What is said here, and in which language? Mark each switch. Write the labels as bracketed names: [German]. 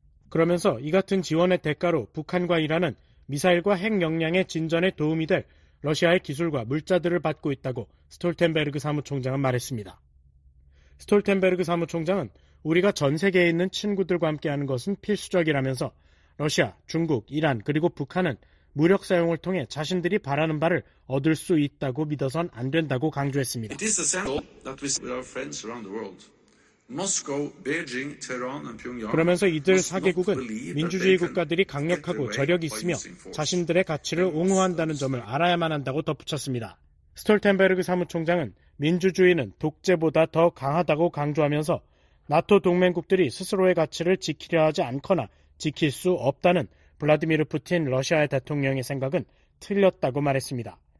[Korean] 그러면서 이 같은 지원의 대가로 북한과 이란은 미사일과 핵 역량의 진전에 도움이 될 러시아의 기술과 물자들을 받고 있다고 스톨텐베르그 사무총장은 말했습니다. 스톨텐베르그 사무총장은 우리가 전 세계에 있는 친구들과 함께하는 것은 필수적이라면서 러시아, 중국, 이란 그리고 북한은 무력 사용을 통해 자신들이 바라는 바를 얻을 수 있다고 믿어선 안 된다고 강조했습니다. [English] It is essential that we with our friends around the world. Moscow, Beijing, Tehran, and Pyongyang. [Korean] 그러면서 이들 4개국은 민주주의 국가들이 강력하고 저력이 있으며 자신들의 가치를 옹호한다는 점을 알아야만 한다고 덧붙였습니다. 스톨텐베르그 사무총장은 민주주의는 독재보다 더 강하다고 강조하면서 나토 동맹국들이 스스로의 가치를 지키려 하지 않거나 지킬 수 없다는 블라디미르 푸틴 러시아의 대통령의 생각은 틀렸다고 말했습니다.